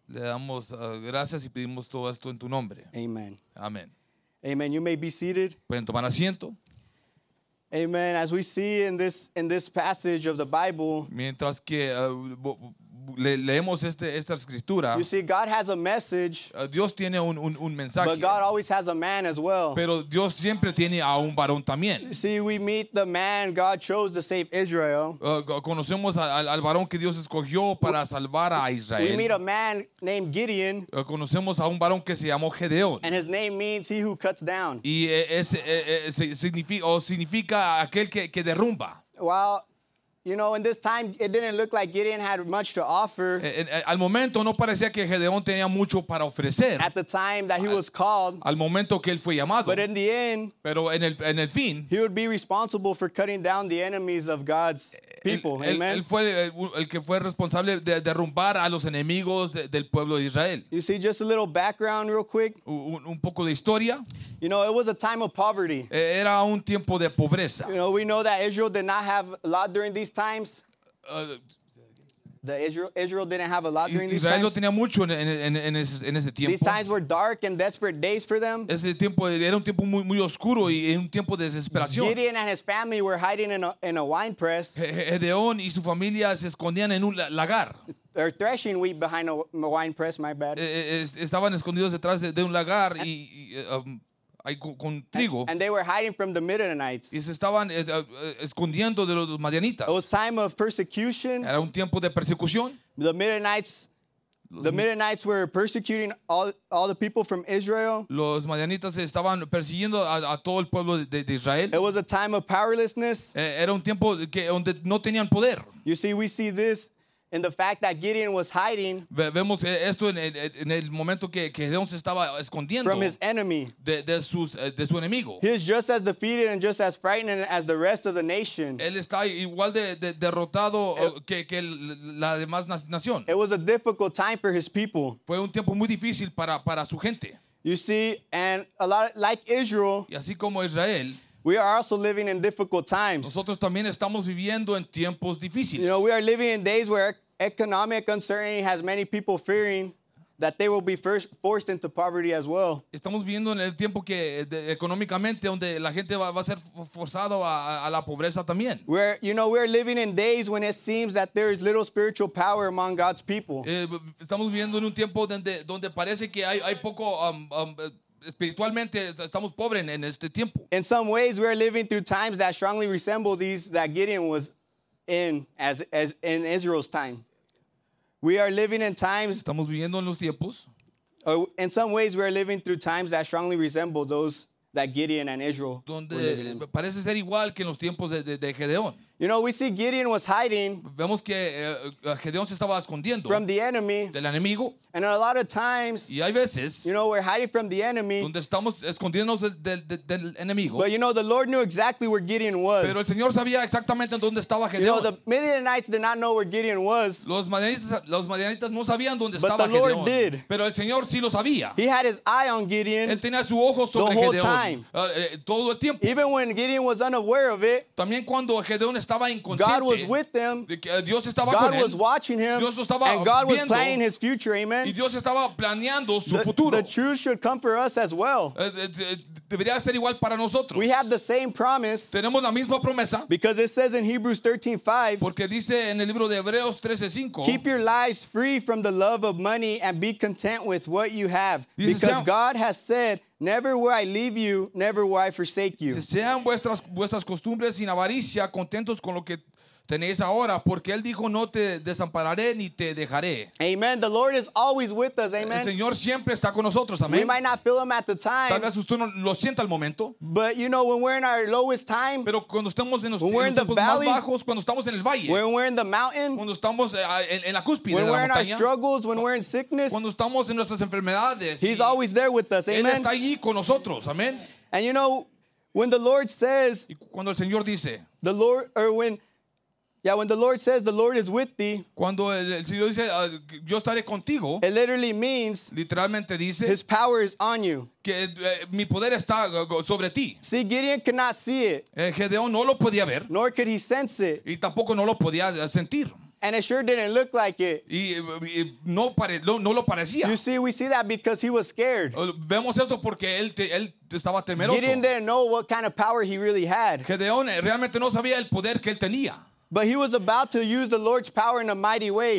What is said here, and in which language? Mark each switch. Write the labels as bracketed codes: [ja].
[es] Le damos gracias y pedimos todo esto en tu nombre. Amen. Amen. [en] Amen. You may be seated. [es] Pueden tomar asiento. [en] Amen. As we see in this passage of the Bible. [es] Mientras que leemos esta escritura. [en] You see, God has a message. [es] Dios tiene un mensaje. [en] But God always has a man as well. [es] Pero Dios siempre tiene a un varón también. [en] You see, we meet the man God chose to save Israel. [es] Conocemos al varón que Dios escogió para salvar a Israel. [en] We meet a man named Gideon. [es] Conocemos a un varón que se llamó Gedeón. [en] And his name means he who cuts down. [es] Y ese significa aquel que derrumba. [en] Well, you know, in this time, it didn't look like Gideon had much to offer. [es] Al momento no parecía que Gedeón tenía mucho para ofrecer. [en] At the time that he was called. [es] Al momento que él fue llamado. [en] But in the end. [es] Pero en el fin. [en] He would be responsible for cutting down the enemies of God's people. Amen. [es] Él fue el que fue responsable de derrumbar a los enemigos del pueblo de Israel. [en] You see, just a little background real quick. [es] Un poco de historia. [en] You know, it was a time of poverty. [es] Era un tiempo de pobreza. [en] You know, we know that Israel did not have a lot during these times. Israel didn't have a lot during these Israel times. [es] Israel no tenía mucho en ese tiempo. [en] These times were dark and desperate days for them. [es] Ese tiempo era un tiempo muy muy oscuro y un tiempo de desesperación. [en] Gideon and his family were hiding in a wine press. [es] Gedeón y su familia se escondían en un lagar. [en] They're threshing wheat behind a wine press. My bad. [es] Estaban escondidos detrás de un lagar y [en] And they were hiding from the Midianites. [es] Y se estaban escondiendo de los madianitas. [en] It was time of persecution. [es] Era un tiempo de persecución. [en] The Midianites were persecuting all the people from Israel. [es] Los madianitas estaban persiguiendo a todo el pueblo de Israel. [en] It was a time of powerlessness. [es] Era un tiempo donde no tenían poder. [en] You see, we see this. And the fact that Gideon was hiding [es] vemos esto en el momento que Gedeón se estaba escondiendo [en] from his enemy [es] de su enemigo. [en] He is just as defeated and just as frightened as the rest of the nation. [es] Él está igual de derrotado que la demás nación. [en] It was a difficult time for his people. [es] Fue un tiempo muy difícil para su gente. [en] You see, and a lot like Israel. [es] Y así como Israel. [en] We are also living in difficult times. [es] Nosotros también estamos viviendo en tiempos difíciles. [en] You know, we are living in days where economic uncertainty has many people fearing that they will be first forced into poverty as well. [es] Estamos viviendo en el tiempo que económicamente donde la gente va a ser forzado a la pobreza también. [en] Where, you know, we are living in days when it seems that there is little spiritual power among God's people. [es] Estamos viviendo en un tiempo donde parece que hay poco espiritualmente estamos pobres en este tiempo. [en] In some ways, we are living through times that strongly resemble these that Gideon was in as in Israel's time. We are living in times. [es] Estamos viviendo en los tiempos. [en] In some ways, we are living through times that strongly resemble those that Gideon and Israel. [es] Donde parece ser igual que en los tiempos de Gedeón. [en] You know, we see Gideon was hiding. [es] Vemos que Gedeón se estaba escondiendo. [en] From the enemy. [es] Del enemigo. [en] And a lot of times. [es] Y hay veces. [en] You know, we're hiding from the enemy. [es] Donde estamos escondiéndonos del enemigo. [en] But you know, the Lord knew exactly where Gideon was. [es] Pero el Señor sabía exactamente dónde estaba Gedeón. [en] You know, the Midianites did not know where Gideon was. [es] Los Midianitas no sabían dónde estaba Gedeón. [en] But the Lord did. [es] Pero el Señor sí lo sabía. [en] He had his eye on Gideon. [es] Él tenía su ojo sobre [en] Gedeón. The whole [es] Gedeón. [en] Time. [es] Todo el tiempo. [en] Even when Gideon was unaware of it. [es] También cuando Gedeón estaba inconsciente. [en] God was with them. [es] Dios estaba [en] God [es] con [en] was [es] él. [en] Watching him. [es] Dios lo estaba [en] and God [es] viendo. [en] Was planning his future. Amen. [es] Y Dios estaba planeando su [en] the, [es] futuro. [en] The truth should come for us as well. [es] Debería ser igual para nosotros. [en] We have the same promise. [es] Tenemos la misma promesa. [en] Because it says in Hebrews 13:5. [es] Porque dice en el libro de Hebreos 13:5. [en] Keep your lives free from the love of money and be content with what you have. Because God has said, never will I leave you, never will I forsake you. [es] Sean vuestras costumbres sin avaricia, contentos con lo que tenéis ahora, porque él dijo, no te desampararé ni te dejaré. [en] Amen. The Lord is always with us. Amen. [es] El Señor siempre está con nosotros. [en] Amen. We might not feel him at the time. [es] Tal vez usted no lo sienta al momento. [en] But you know, when we're in our lowest time. [es] Pero cuando estamos en los tiempos más bajos, cuando estamos en el valle. [en] When we're in the mountain. [es] Cuando estamos en la cúspide de la [en] we're in our struggles, when we're in sickness. [es] Cuando estamos en nuestras enfermedades. [en] He's always there with us. Amen. [es] Él está allí con nosotros. [en] Amen. And you know, when the Lord says. [es] Y cuando el Señor dice. [en] The Lord, or when. Yeah, when the Lord says the Lord is with thee, [es] cuando el Señor dice yo estaré contigo, [en] it literally means [es] literalmente dice [en] his power is on you. [es] Que mi poder está sobre ti. [en] See, Gideon could not see it. [es] Gedeón no lo podía ver. [en] Nor could he sense it. [es] Y tampoco no lo podía sentir. [en] And it sure didn't look like it. [es] Y no no lo parecía. [en] You see, we see that because he was scared. [es] Vemos eso porque él estaba temeroso. [en] Gideon didn't know what kind of power he really had. [es] Gedeón realmente no sabía el poder que él tenía. [en] But he was about to use the Lord's power in a mighty way.